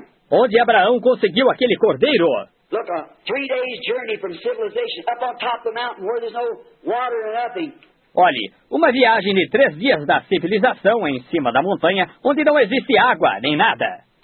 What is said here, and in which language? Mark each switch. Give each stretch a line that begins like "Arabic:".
Portuguese: Onde Abraão conseguiu aquele Cordeiro?
English: Look, a 3 days journey from civilization, up on top of the mountain where there's no water or nothing.
Portuguese: Olhe, uma viagem de 3 dias da civilização em cima da montanha, onde não existe água nem nada.